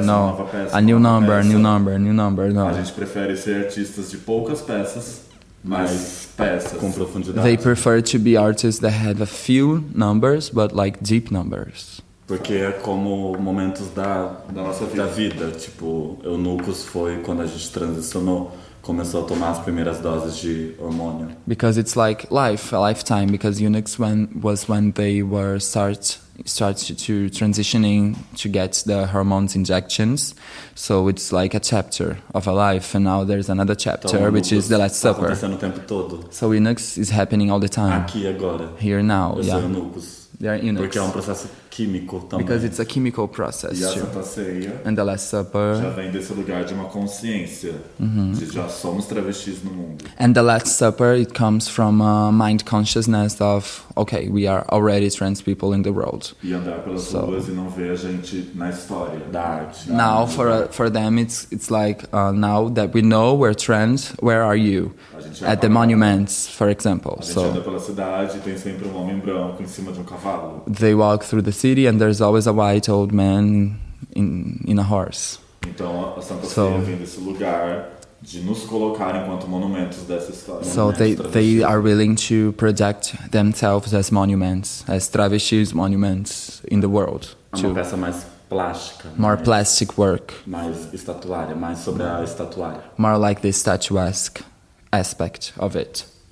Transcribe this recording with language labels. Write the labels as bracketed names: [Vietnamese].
[Portuguese] Peça, [English] no. [Portuguese] Peça, [English] a new number, a new number, a new number. No. [Portuguese] A gente prefere ser artistas de poucas peças, mas peças com profundidade. [English] They prefer to be artists that have a few numbers, but like deep numbers. [Portuguese] Porque é como momentos da nossa vida. Da vida. Tipo, o Núcleos foi quando a gente transicionou, começou a tomar as primeiras doses de hormônio. [English] Because it's like life, a lifetime. Because Unix was when they were started to transitioning to get the hormones injections. So it's like a chapter of a life. And now there's another chapter, [Portuguese] então, [English] which is the Last Supper. [Portuguese] Está acontecendo o tempo todo. [English] So Unix is happening all the time. [Portuguese] Aqui agora. [English] Here now. [Portuguese] Eu [English] yeah. [Portuguese] sou o Núcleos. [English] They are Unix. [Portuguese] Porque é um processo químico também. [English] Because it's a chemical process. [Portuguese] E a Santa Ceia. [English] And the Last Supper. [Portuguese] Já vem desse lugar de uma consciência. Mm-hmm. De já somos travestis no mundo. [English] And the Last Supper, it comes from a mind consciousness of, okay, we are already trans people in the world. [Portuguese] E andar pelas [English] so, [Portuguese] ruas e não ver a gente na história da arte. [English] Now for them it's like now that we know we're trans, where are you? At the monuments, for example. [Portuguese] A gente [English] so, [Portuguese] anda pela cidade e tem sempre um homem branco em cima de um cavalo. [English] They walk through the city and there's always a white old man in a horse. [Portuguese] Então a Santa Ceia vem desse lugar de nos colocar enquanto monumentos dessa história. [English] So they are willing to project themselves as monuments, as travestis monuments in the world. [Portuguese] É uma peça mais plástica. [English] More plastic work. [Portuguese] Mais estatuária, mais sobre a estatuária. [English] More like the statuesque aspect of it.